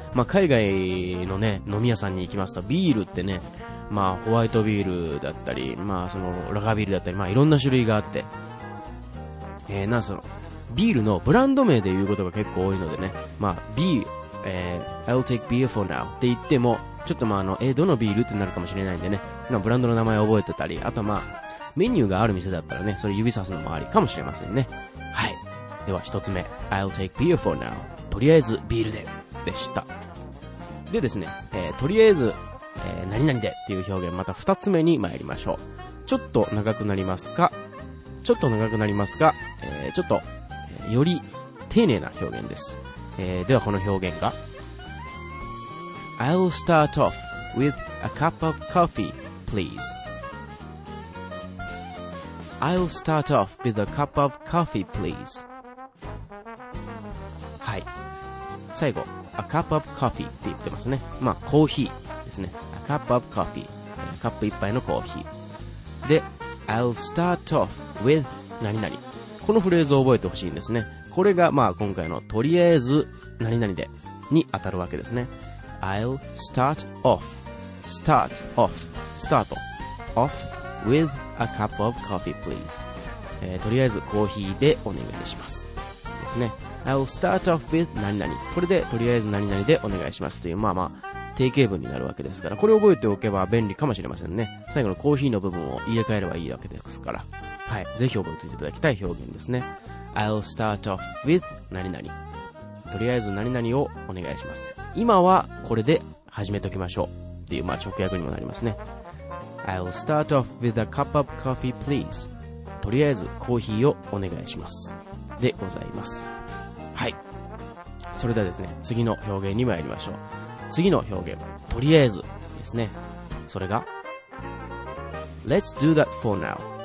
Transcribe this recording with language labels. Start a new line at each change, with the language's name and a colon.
Japanese: まあ、海外のね、飲み屋さんに行きますと、ビールってね、まあ、ホワイトビールだったり、まあ、その、ラガービールだったり、まあ、いろんな種類があって、な、その、ビールのブランド名で言うことが結構多いのでね、まあ、
English: I'll take beer for now
Japanese: って言っても、ちょっとまあ、どのビールってなるかもしれないんでね、まあ、ブランドの名前を覚えてたり、あとまあ、メニューがある店だったらね、それ指さすのもありかもしれませんね。はい。では、一つ目、
English: I'll take beer for now。
Japanese: とりあえず、ビールで、でした。でですね、とりあえず、何々でっていう表現、また二つ目に参りましょう。ちょっと長くなりますか、ちょっと、より丁寧な表現です。では、この表現が、
English: I'll start off with a cup of coffee, please. I'll start off with a cup of coffee, please.
Japanese: はい。最後、
English: a cup of coffee
Japanese: って言ってますね。まあ、コーヒーですね。
English: a cup of coffee。
Japanese: カップ一杯のコーヒー。
English: で、I'll start off with 何々。
Japanese: このフレーズを覚えてほしいんですね。これが、まあ、今回のとりあえず何々でに当たるわけですね。
English: I'll start off。 start off。 start off with a cup of coffee, please、
Japanese: とりあえずコーヒーでお願いします。ですね。
English: I'll start off with 何々。
Japanese: これで、とりあえず何々でお願いします。という、まあまあ、定型文になるわけですから、これを覚えておけば便利かもしれませんね。最後のコーヒーの部分を入れ替えればいいわけですから。はい。ぜひ覚えていただきたい表現ですね。
English: I'll start off with 何々。
Japanese: とりあえず何々をお願いします。今はこれで始めときましょう。っていう、まあ直訳にもなりますね。
English: I'll start off with a cup of coffee, please.
Japanese: とりあえずコーヒーをお願いします。でございます。はい。それではですね、次の表現に参りましょう。次の表現、とりあえずですね。それが、
English: Let's do that for now.